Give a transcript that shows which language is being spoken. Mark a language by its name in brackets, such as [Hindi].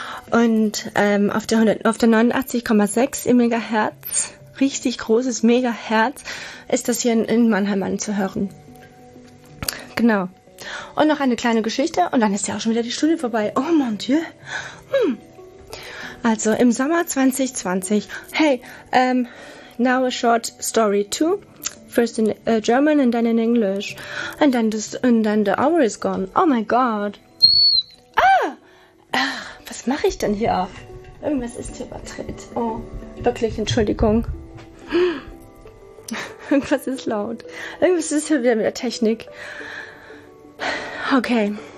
[German] Und auf der 89,6 im Megahertz, richtig großes Megahertz, ist das hier in Mannheim anzuhören. Genau. Und noch eine kleine Geschichte und dann ist ja auch schon wieder die Stunde vorbei. [French] Oh mon Dieu. [German] Also im Sommer 2020. [English] Hey, now a short story too. First in German and then in English. And then the hour is gone. Oh my God. [German] Was mache ich denn hier? Irgendwas ist hier übertritt. Oh, wirklich, Entschuldigung. Irgendwas ist laut. Irgendwas ist hier wieder mit der Technik. Okay.